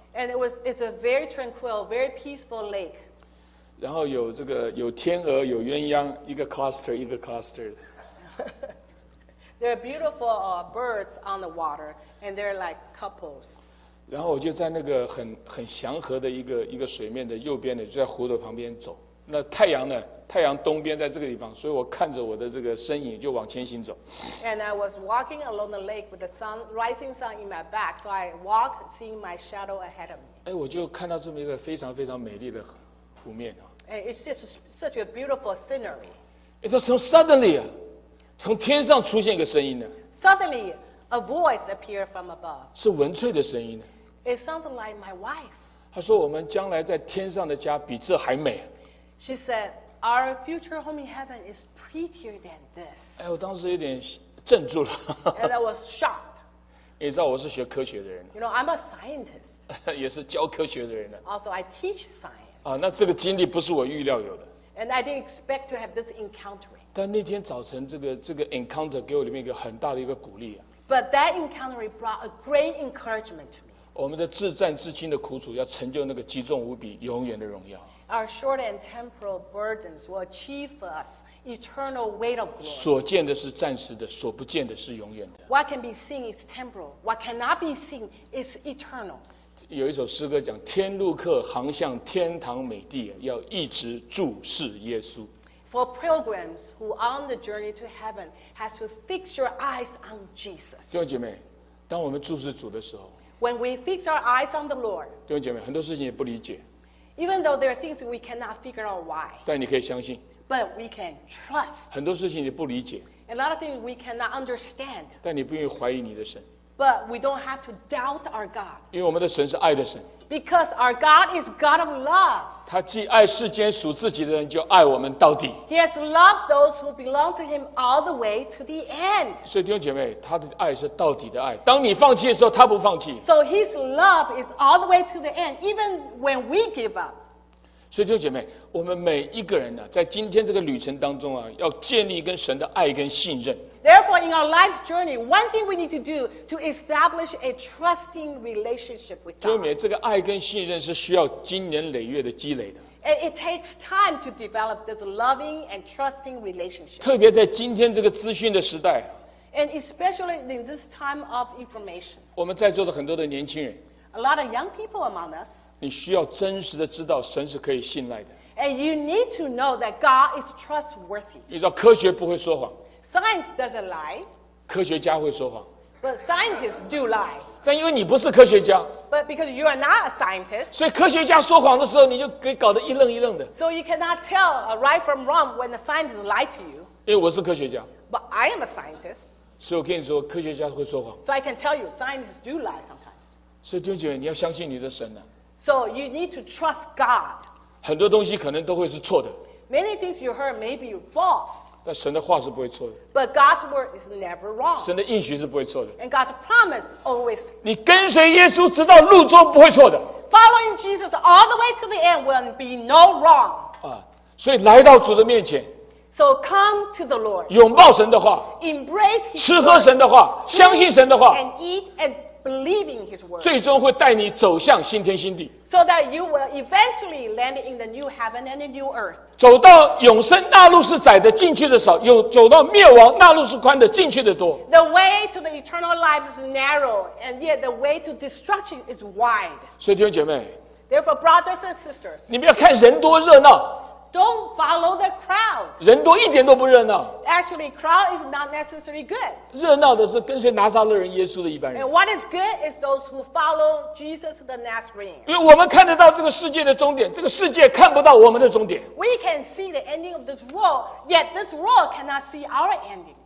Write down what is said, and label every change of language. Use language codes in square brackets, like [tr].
[en] And it's a very tranquil, very peaceful lake. [zh] 然后有这个有天鹅，有鸳鸯，一个 cluster 一个 cluster 的。 [en] There are beautiful birds on the water, and they're like couples. [zh] 然后我就在那个很祥和的一个水面的右边的，就在湖的旁边走。那太阳呢？太阳东边在这个地方，所以我看着我的这个身影就往前行走。 [en] And I was walking along the lake with the sun, rising sun in my back, so I walked seeing my shadow ahead of me. [zh] 哎，我就看到这么一个非常非常美丽的湖面啊。 [en] And it's just such a beautiful scenery. It's so suddenly, [zh] 从天上出现一个声音呢。 [en] Suddenly, a voice appeared from above. [zh] 是文翠的声音呢。 [en] It sounds like my wife. [zh] 她说我们将来在天上的家比这还美。 [en] She said, our future home in heaven is prettier than this. [zh] 哎，我当时有点镇住了。 [en] And I was shocked. [zh] 你知道我是学科学的人。 [en] You know, I'm a scientist. [zh] 也是教科学的人呢。 [en] Also, I teach science. [zh] 啊，那这个经历不是我预料有的。 [en] And I didn't expect to have this encountering. [zh] 但那天早晨这个 encounter 给我里面一个很大的一个鼓励啊。 [en] But that encounter brought a great encouragement to me. [zh] 我们的至战至亲的苦楚要成就那个极重无比永远的荣耀。 [en] Our short and temporal burdens will achieve for us eternal weight of glory. [zh] 所见的是暂时的，所不见的是永远的。 [en] What can be seen is temporal. What cannot be seen is eternal. [zh] 有一首诗歌讲，天路客航向天堂美地，要一直注视耶稣。 [en] For pilgrims who are on the journey to heaven has to fix your eyes on Jesus. [zh] 弟兄姐妹，当我们注视主的时候， [en] When we fix our eyes on the Lord. [zh] 弟兄姐妹，很多事情也不理解。 [en] Even though there are things we cannot figure out why. [zh] 但你可以相信。 [en] But we can trust. [zh] 很多事情你不理解。 [en] A lot of things we cannot understand. [zh] 但你不愿意怀疑你的神。 [en] But we don't have to doubt our God. [zh] 因为我们的神是爱的神。 [en] Because our God is God of love. [zh] 他既爱世间属自己的人，就爱我们到底。 [en] He has loved those who belong to him all the way to the end. [zh] 所以弟兄姐妹，他的爱是到底的爱。当你放弃的时候，他不放弃。 [en] So his love is all the way to the end, even when we give up. [zh] 所以弟兄姐妹，我们每一个人呢，在今天这个旅程当中啊，要建立跟神的爱跟信任。 [en] Therefore, in our life's journey, one thing we need to do to establish a trusting relationship with God. [zh] 弟兄姐妹，这个爱跟信任是需要经年累月的积累的。 [en] And it takes time to develop this loving and trusting relationship. [zh] 特别在今天这个资讯的时代。 [en] And especially in this time of information. [zh] 我们在座的很多的年轻人。 [en] A lot of young people among us. [zh] 你需要真实的知道神是可以信赖的。 [en] And you need to know that God is trustworthy. [zh] 你知道科学不会说谎。 [en] Science doesn't lie. [zh] 科学家会说谎。 [en] But scientists do lie. [zh] 但因为你不是科学家。 [en] But because you are not a scientist. [zh] 所以科学家说谎的时候，你就给搞得一愣一愣的。 [en] So you cannot tell right from wrong when the scientist lie to you. [zh] 因为我是科学家。 [en] But I am a scientist. [zh] 所以我跟你说，科学家会说谎。 [en] So I can tell you, scientists do lie sometimes. [zh] 所以弟兄姐妹，你要相信你的神啊。 [en] So you need to trust God. [zh] 很多东西可能都会是错的。 [en] Many things you heard may be false. [zh] 但神的话是不会错的。 [en] But God's word is never wrong. [zh] 神的应许是不会错的。 [en] And God's promise always. [zh] 你跟随耶稣直到路终不会错的。 [en] Following Jesus all the way to the end will be no wrong. [zh] 啊，所以来到主的面前。 [en] So come to the Lord. [zh] 拥抱神的话。 [en] Embrace His word. [zh] 吃喝神的话，相信神的话。 [en] And eat and believe in His word. [zh] 最终会带你走向新天新地。 [en] So that you will eventually land in the new heaven and the new earth. [zh] 走到永生，那路是窄的，进去的少；有走到灭亡，那路是宽的，进去的多。 [en] The way to the eternal life is narrow, and yet the way to destruction is wide. [zh] 所以弟兄姐妹， [en] therefore brothers and sisters, [zh] 你们要看人多热闹。 [en] Don't follow the crowd. [zh] 人多一点都不热闹。 [en] Actually, crowd is not necessarily good. [zh] 热闹的是跟随拿撒勒人耶稣的一般人。 [en] And what is good is those who follow Jesus the Nazarene. [zh] 因为我们看得到这个世界的终点，这个世界看不到我们的终点。 [en] We can see the ending of this world, yet this world cannot see our ending.